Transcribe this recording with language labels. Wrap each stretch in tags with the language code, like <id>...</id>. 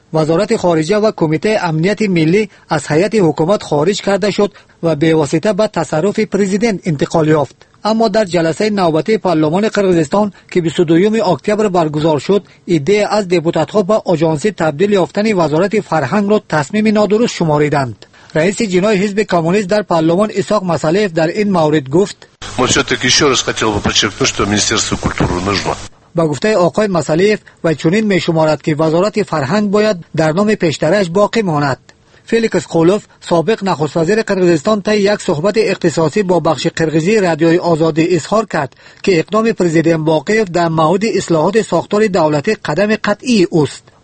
<fa>وزارت خارجه و کمیته امنیت ملی از هیئت حکومت خارج کرده شد و به واسطه به تصرف پرزیدنت انتقال یافت. اما در جلسه نوبتی پارلمان قرقیزستان که 22 اکتبر برگزار شد، ایده از دپوتات‌ها به آژانس تبدیل یافتن وزارت فرهنگ را تصمیم نادرست شماریدند. رئیس جنای حزب کمونیست در پارلمان اسحاق مصالحف در این مورد گفت: ما</fa> <ru>все-таки ещё раз хотел бы подчеркнуть, что Министерство культуры нужно.</ru> <fa>با گفته آقای مصالحف و چنین می شمارد که وزارت فرهنگ باید در نام پیشترش باقی ماند. فلیکس قولوف، سابق نخست وزیر قرقیزستان، طی یک صحبت اختصاصی با بخش قرقیزی رادیوی آزادی اظهار کرد که اقدام پرزیدنت باقیف در مورد اصلاحات ساختار دولتی قدم قطعی است.</fa>